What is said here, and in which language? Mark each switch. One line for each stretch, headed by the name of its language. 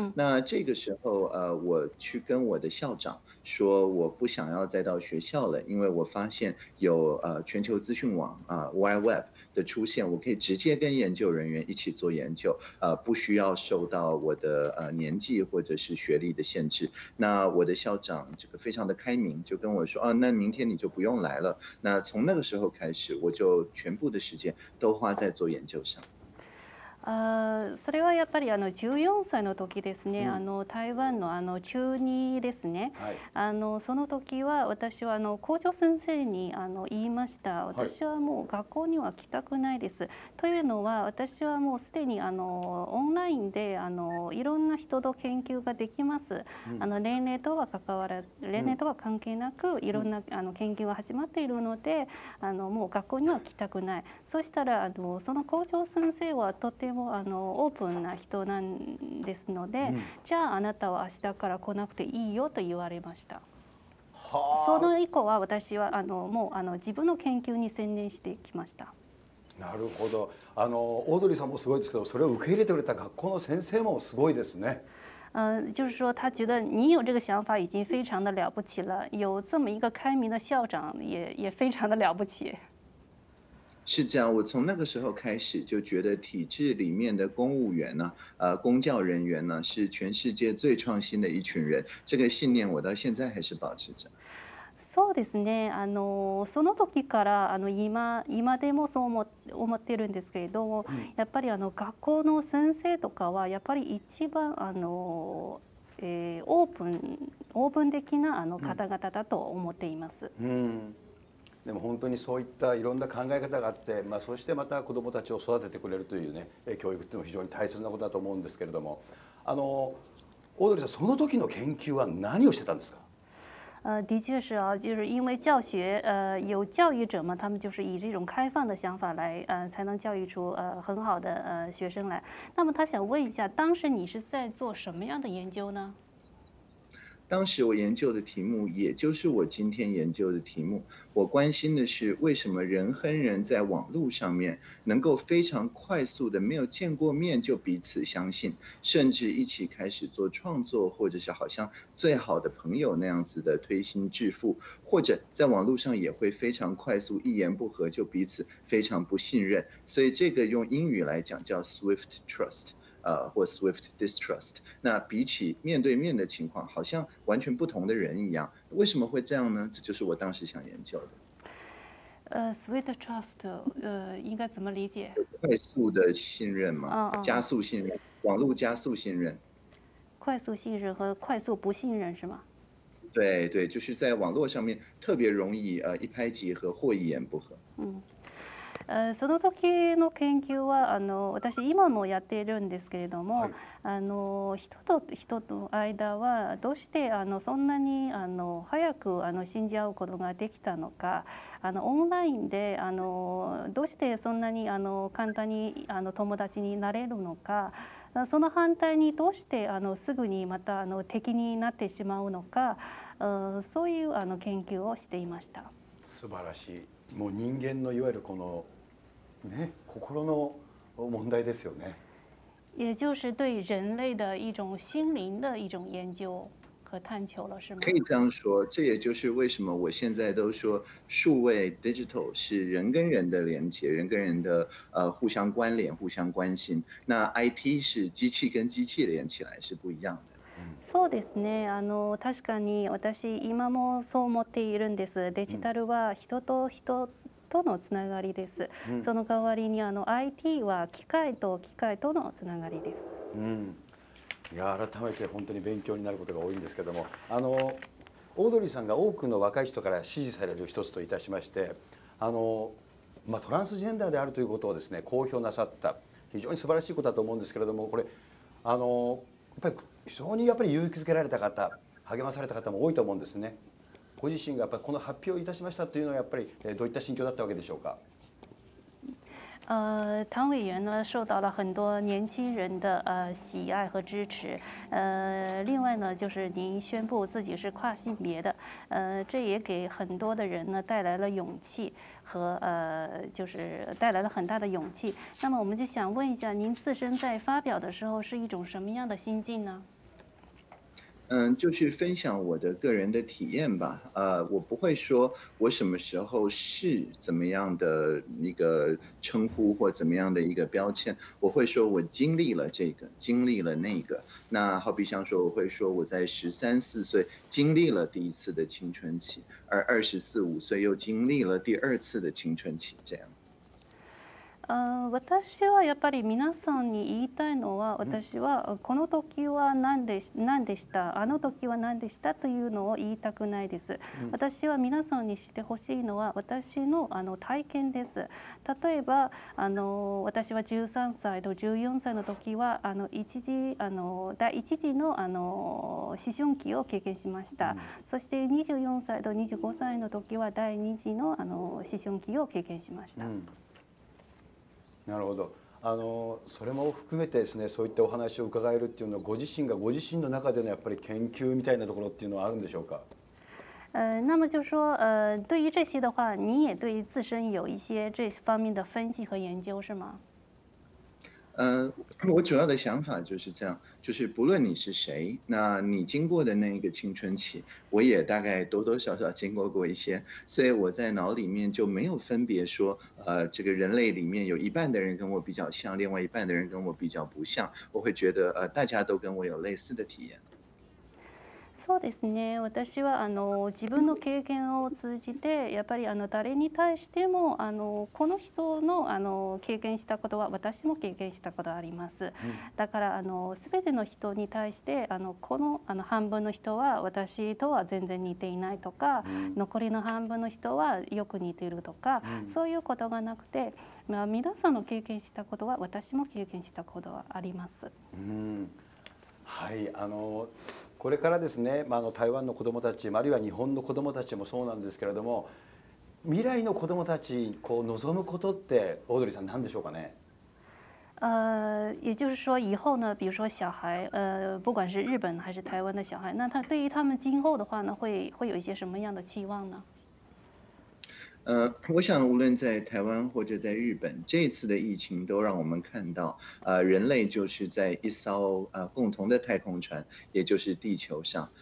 Chinese: 那这个时候，我去跟我的校长说，我不想要再到学校了，因为我发现有全球资讯网Wide Web 的出现，我可以直接跟研究人员一起做研究，不需要受到我的年纪或者是学历的限制。那我的校长这个非常的开明，就跟我说，那明天你就不用来了。那从那个时候开始，我就全部的时间都花在做研究。
Japanese: それはやっぱり14歳の時ですね。台湾の中2ですね。その時は私は校長先生に言いました。私はもう学校には来たくないです。というのは、私はもうすでにオンラインでいろんな人と研究ができます。年齢とは関係なく、いろんな研究が始まっているので、もう学校には来たくない。そしたら、その校長先生はとてもオープンな人なんですので、じゃああなたは明日から来なくていいよと言われました。その以降は私はもう自分の研究に専念してきました。なるほど。オードリーさんもすごいですけど、それを受け入れてくれた学校の先生もすごいですね。
Chinese: 就是说他觉得你有这个想法已经非常的了不起了，有这么一个开明的校长也非常的了不起。是这样，我从那个时候开始就觉得体制里面的公务员呢，公教人员呢，是全世界最创新的一群人。这个信念我到现在还是保持着。
Japanese: そうですね。その時から今でもそう思ってるんですけれども、やっぱり学校の先生とかはやっぱり一番オープン的な方々だと思っています。でも本当にそういったいろんな考え方があって、そしてまた子どもたちを育ててくれるというね、教育っていうのも非常に大切なことだと思うんですけれども、オードリーさん、その時の研究は何をしてたんですか？
Chinese: 的确是啊，就是因为教学，有教育者嘛，他们就是以这种开放的想法来，才能教育出很好的学生来。那么他想问一下，当时你是在做什么样的研究呢？当时我研究的题目，也就是我今天研究的题目，我关心的是为什么人和人在网络上面能够非常快速的没有见过面就彼此相信，甚至一起开始做创作，或者是好像最好的朋友那样子的推心置腹，或者在网络上也会非常快速一言不合就彼此非常不信任。所以这个用英语来讲叫 Swift Trust。或 Swift Distrust， 那比起面对面的情况好像完全不同的人一样，为什么会这样呢？这就是我当时想研究的。 Swift Trust， 应该怎么理解？快速的信任吗？加速信任，网络加速信任。快速信任和快速不信任是吗？对对，就是在网络上面特别容易一拍即合或一言不合。
Japanese: 嗯，その時の研究は私今もやっているんですけれども、はい、人と人の間はどうしてそんなに早く信じ合うことができたのか、オンラインでどうしてそんなに簡単に友達になれるのか、その反対にどうしてすぐにまた敵になってしまうのか、そういう研究をしていました。素晴らしい。もう人間のいわゆるこの、ね、心の問題ですよね。
Chinese: 也就是对人类的一种心灵的一种研究和探求了，是吗？可以这样说，这也就是为什么我现在都说数位 digital 是人跟人的连接，人跟人的互相关联、互相关心。那 IT 是机器跟机器连起来是不一样的。
Japanese: そうですね、確かに私今もそう思っているんです。デジタルは人と人とのつながりです、うん、その代わりにIT は機械と機械とのつながりです、うん、いや改めて本当に勉強になることが多いんですけども、オードリーさんが多くの若い人から支持される一つといたしまして、まあ、トランスジェンダーであるということをですね、公表なさった、非常に素晴らしいことだと思うんですけれども、これやっぱり非常にやっぱり勇気づけられた方、励まされた方も多いと思うんですね。ご自身がやっぱりこの発表をいたしましたというのはやっぱりどういった心境だったわけでしょうか。
Chinese: 唐委员呢受到了很多年轻人的喜爱和支持。另外呢，就是您宣布自己是跨性别的，这也给很多的人呢带来了勇气和就是带来了很大的勇气。那么我们就想问一下，您自身在发表的时候是一种什么样的心境呢？嗯，就是分享我的个人的体验吧。我不会说我什么时候是怎么样的一个称呼或怎么样的一个标签，我会说我经历了这个，经历了那个。那好比像说，我会说我在十三四岁经历了第一次的青春期，而二十四五岁又经历了第二次的青春期，这样。
Japanese: 私はやっぱり皆さんに言いたいのは、私はこの時は何でした、あの時は何でしたというのを言いたくないです。私は皆さんに知ってほしいのは私の体験です。例えば私は13歳と14歳の時は第一次の思春期を経験しました。そして24歳と25歳の時は第二次の思春期を経験しました。なるほど。それも含めてですね、そういったお話を伺えるっていうのは、ご自身がご自身の中でのやっぱり研究みたいなところっていうのはあるんでしょうか。
Chinese: 那么就说，对于这些的话，你也对自身有一些这方面的分析和研究，是吗？我主要的想法就是这样，就是不论你是谁，那你经过的那一个青春期，我也大概多多少少经过过一些，所以我在脑里面就没有分别说，这个人类里面有一半的人跟我比较像，另外一半的人跟我比较不像，我会觉得大家都跟我有类似的体验。
Japanese: そうですね、私は自分の経験を通じてやっぱり誰に対してもこの人の経験したことは私も経験したことあります。だから全ての人に対してこの半分の人は私とは全然似ていないとか、残りの半分の人はよく似ているとか、そういうことがなくて、まあ、皆さんの経験したことは私も経験したことはあります。はい、これからですね、まあ、台湾の子どもたち、あるいは日本の子どもたちもそうなんですけれども、未来の子どもたちにこう望むことって、オードリーさん、何でしょうかね。
Chinese: 也就是说，以后呢，比如说小孩，不管是日本还是台湾的小孩，那他对于他们今后的话呢，会有一些什么样的期望呢？我想无论在台湾或者在日本，这一次的疫情都让我们看到，人类就是在一艘共同的太空船，也就是地球上。